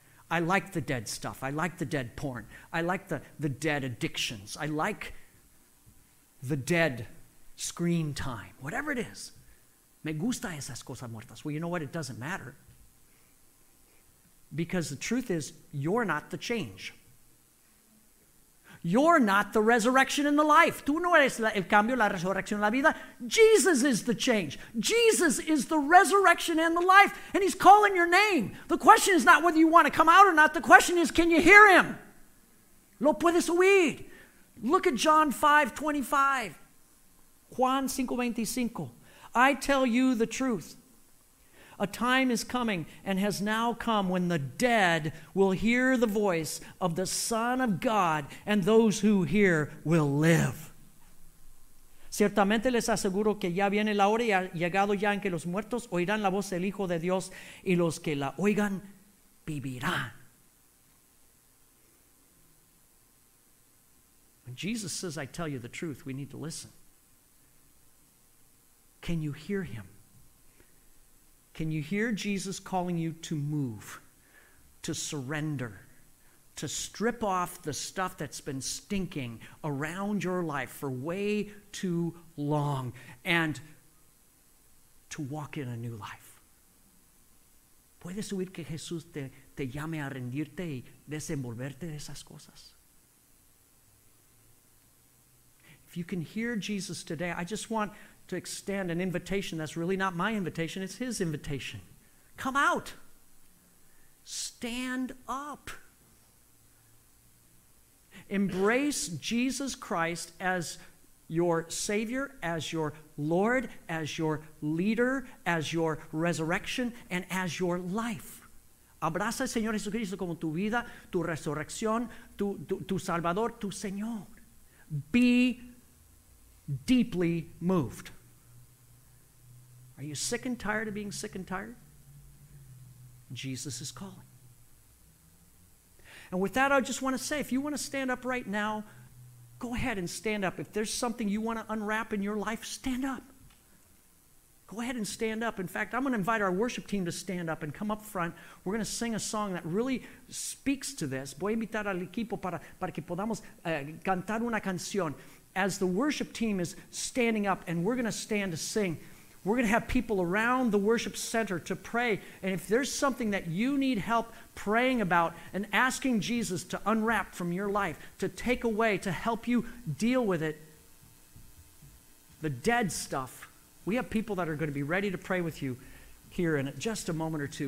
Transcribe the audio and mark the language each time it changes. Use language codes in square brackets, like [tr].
[en] I like the dead stuff. I like the dead porn. I like the dead addictions. I like the dead screen time. Whatever it is. [es] Me gusta esas cosas muertas. [en] Well, you know what? It doesn't matter. Because the truth is, you're not the change. You're not the resurrection and the life. [es] Tú no eres el cambio, la resurrección, la vida. [en] Jesus is the change. Jesus is the resurrection and the life. And he's calling your name. The question is not whether you want to come out or not. The question is, can you hear him? [es] Lo puedes oír. [en] Look at John 5:25. Juan 5:25. I tell you the truth. A time is coming and has now come when the dead will hear the voice of the Son of God, and those who hear will live. [es] Ciertamente les aseguro que ya viene la hora y ha llegado ya en que los muertos oirán la voz del Hijo de Dios, y los que la oigan vivirán. [en] When Jesus says, I tell you the truth, we need to listen. Can you hear him? Can you hear Jesus calling you to move, to surrender, to strip off the stuff that's been stinking around your life for way too long and to walk in a new life? [es] ¿Puedes oír que Jesús te llame a rendirte y desenvolverte de esas cosas? [en] If you can hear Jesus today, I just want to extend an invitation that's really not my invitation, it's his invitation. Come out. Stand up. Embrace Jesus Christ as your Savior, as your Lord, as your leader, as your resurrection, and as your life. [es] Abraza al Señor Jesucristo como tu vida, tu resurrección, tu Salvador, tu Señor. [en] Be deeply moved. Are you sick and tired of being sick and tired? Jesus is calling. And with that, I just want to say, if you want to stand up right now, go ahead and stand up. If there's something you want to unwrap in your life, stand up. Go ahead and stand up. In fact, I'm going to invite our worship team to stand up and come up front. We're going to sing a song that really speaks to this. [es] Voy a invitar al equipo para que podamos cantar una canción. [en] As the worship team is standing up and we're going to stand to sing, we're going to have people around the worship center to pray. And if there's something that you need help praying about and asking Jesus to unwrap from your life, to take away, to help you deal with it, the dead stuff, we have people that are going to be ready to pray with you here in just a moment or two.